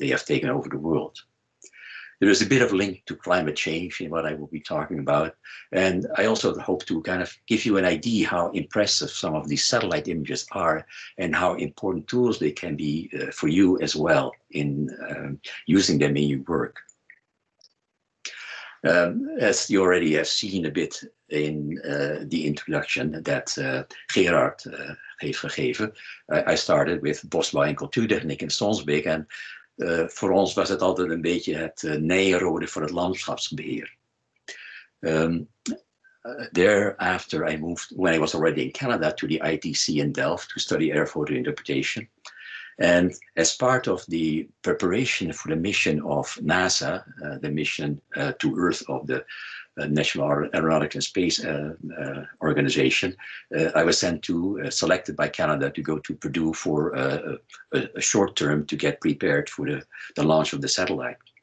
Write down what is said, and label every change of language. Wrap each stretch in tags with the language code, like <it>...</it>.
<en>They have taken over the world. There is a bit of link to climate change in what I will be talking about. And I also hope to kind of give you an idea how impressive some of these satellite images are and how important tools they can be for you as well in using them in your work. As you already have seen a bit in the introduction that Gerard</en> <nl>heeft gegeven,</nl> <en>I started with Bosbouw en Cultuurtechniek in Sonsbeek, and</en> <nl>voor ons was het altijd een beetje het Nijenrode voor het landschapsbeheer.</nl> <en>Thereafter, I moved, when I was already in Canada, to the ITC in Delft to study air photo interpretation. And as part of the preparation for the mission of NASA, the mission to Earth of the National Aeronautics and Space Organization, I was sent to, selected by Canada to go to Purdue for a short term to get prepared for the launch of the satellite.</en>